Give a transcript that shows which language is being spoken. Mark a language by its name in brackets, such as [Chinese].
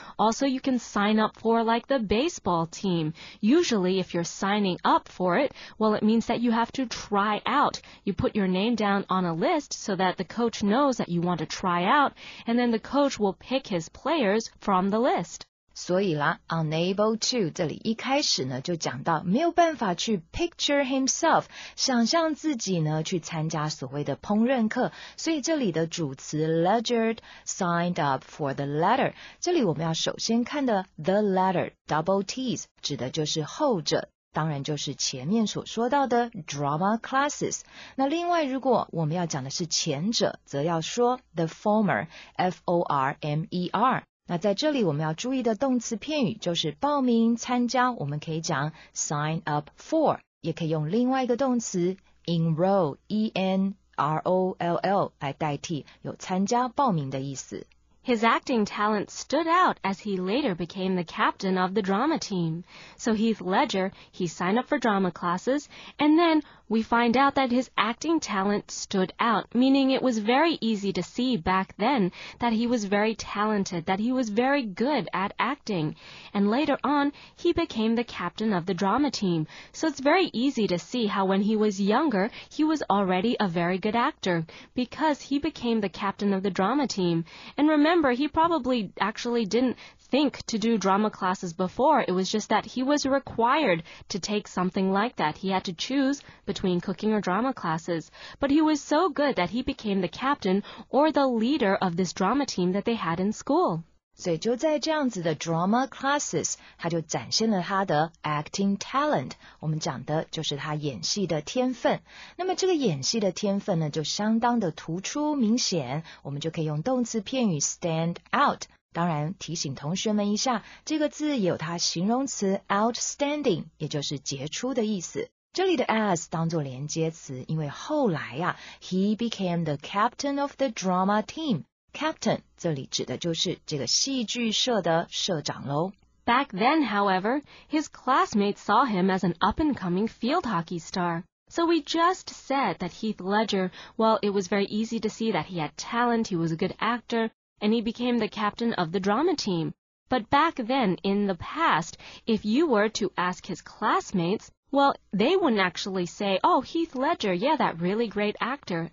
[English] Also, you can sign up for like the baseball team. Usually if you're signing up for it, well, it means that you have to try out. You put your name down on a list so that the coach knows that you want to try out, and then the coach will pick his players from the list. [Chinese] 所以啦 [English] unable to, [Chinese] 这里一开始呢就讲到没有办法去 [English] picture himself, [Chinese] 想象自己呢去参加所谓的烹饪课。所以这里的主词 [English] Ledger signed up for the latter, [Chinese] 这里我们要首先看的 the latter, [English] double T's, [Chinese] 指的就是后者。当然就是前面所说到的 [English] drama classes。 [Chinese] 那另外如果我们要讲的是前者则要说 [English] the former, F-O-R-M-E-R。 [Chinese] 那在这里我们要注意的动词片语就是报名参加我们可以讲 [English] sign up for [Chinese] 也可以用另外一个动词 [English] enroll E-N-R-O-L-L [Chinese] 来代替有参加报名的意思 [English] His acting talent stood out as he later became the captain of the drama team So Heath Ledger, he signed up for drama classes and thenWe find out that his acting talent stood out, meaning it was very easy to see back then that he was very talented, that he was very good at acting. And later on, he became the captain of the drama team. So it's very easy to see how when he was younger, he was already a very good actor, because he became the captain of the drama team. And remember, he probably actually didn't think to do drama classes before. It was just that he was required to take something like that. He had to choose between cooking or drama classes. But he was so good that he became the captain or the leader of this drama team that they had in school. [Chinese] 所以就在这样子的 [English] drama classes, [Chinese] 他就展现了他的 [English] acting talent, [Chinese] 我们讲的就是他演戏的天分。那么这个演戏的天分呢就相当的突出明显我们就可以用动词片语 [English] stand out。 [Chinese] 当然提醒同学们一下这个字也有它形容词 outstanding, 也就是杰出的意思。这里的 as 当作连接词因为后来啊 [English] he became the captain of the drama team. [Chinese] Captain, 这里指的就是这个戏剧社的社长咯。 [English] Back then, however, his classmates saw him as an up-and-coming field hockey star. So we just said that Heath Ledger, well, it was very easy to see that he had talent, he was a good actor,And he became the captain of the drama team. But back then, in the past, if you were to ask his classmates, well, they wouldn't actually say, oh, Heath Ledger, yeah, that really great actor.